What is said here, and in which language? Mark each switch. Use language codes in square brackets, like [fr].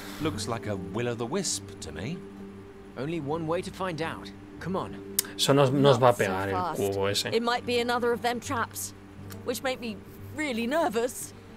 [en] Looks like a will-o'-the-wisp to me. Only one way to find out. Come on. [es] Eso nos va a pegar el cubo ese. [en] It might be another of them traps, which make me really nervous.